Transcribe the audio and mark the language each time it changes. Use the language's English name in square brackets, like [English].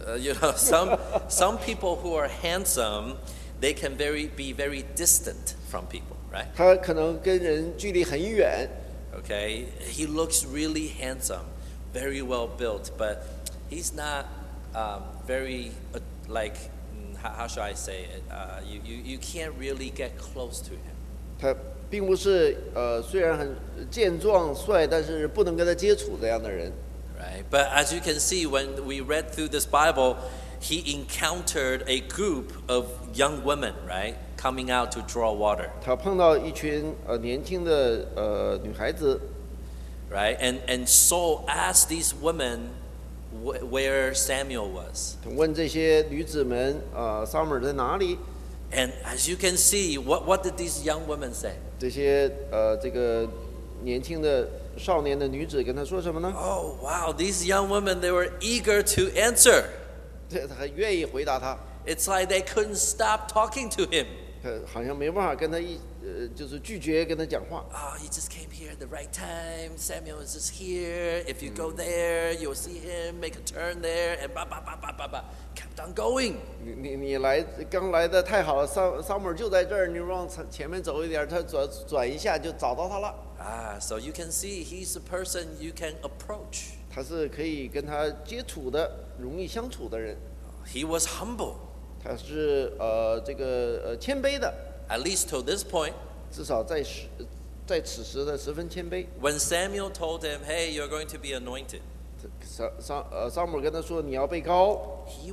[English] You know, some people who are handsome, they can be very distant from people. Right? [Chinese] 他可能跟人距离很远。 [English] Okay, he looks really handsome, very well built, but he's not how should I say it? You can't really get close to him. [Chinese] 他并不是虽然很健壮帅，但是不能跟他接触这样的人。 [English] Right, but as you can see, when we read through this Bible, he encountered a group of young women, right? coming out to draw water. [Chinese] 他碰到一群年轻的女孩子。 [English] Right, and Saul asked these women where Samuel was. [Chinese] 问这些女子们撒母耳在哪里。 [English] And as you can see, what did these young women say? [Chinese] 这些这个年轻的少年的女子跟他说什么呢？ [English] Oh, wow, these young women, they were eager to answer. [Chinese] 对，他很愿意回答他。 [English] It's like they couldn't stop talking to him. [Chinese] 好像没办法跟他就是拒绝跟他讲话。 [English] Oh, he just came here at the right time. Samuel is just here. If you go there, you'll see him. Make a turn there. And blah, blah, blah, blah, blah, blah. Kept on going. [Chinese] 你来刚来的太好了，萨姆尔就在这儿，你往前面走一点，他转一下就找到他了。 [English] Ah, so you can see he's a person you can approach. [Chinese] 他是可以跟他接触的，容易相处的人。 [English] He was humble. [Chinese] 他是这个谦卑的。 [English] At least to this point. [Chinese] 至少在此时的十分谦卑。 [English] When Samuel told him, "Hey, you're going to be anointed." [Chinese] 撒母耳跟他说你要被膏。